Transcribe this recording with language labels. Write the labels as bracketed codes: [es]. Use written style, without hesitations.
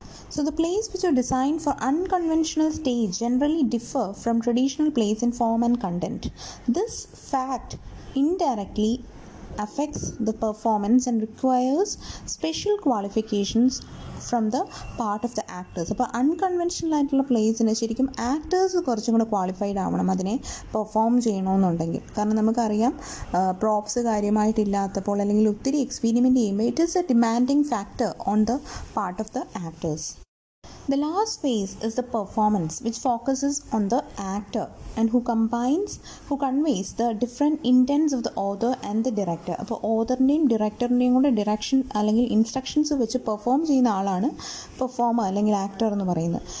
[en] So the plays which are designed for unconventional stage generally differ from traditional plays in form and content. This fact indirectly affects the performance and requires special qualifications from the part of the actors. [ml] അപ്പോൾ unconventional ആയിട്ടുള്ള പ്ലേസിന് ശരിക്കും actors കുറച്ചും കൂടെ qualified ആവണം അതിനെ perform ചെയ്യണമെന്നുണ്ടെങ്കിൽ. കാരണം നമുക്കറിയാം പ്രോപ്സ് കാര്യമായിട്ടില്ലാത്തപ്പോൾ അല്ലെങ്കിൽ ഒത്തിരി എക്സ്പീരിമെൻ്റ് ചെയ്യുമ്പോൾ [en] It is a demanding factor on the part of the actors. The last phase is the performance, which focuses on the actor and who conveys the different intents of the author and the director. [ml] അപ്പോൾ ഓതറിൻ്റെയും ഡിറക്ടറിൻ്റെയും കൂടെ direction അല്ലെങ്കിൽ instructions വെച്ച് perform ചെയ്യുന്ന ആളാണ് performer അല്ലെങ്കിൽ actor എന്ന് പറയുന്നത്.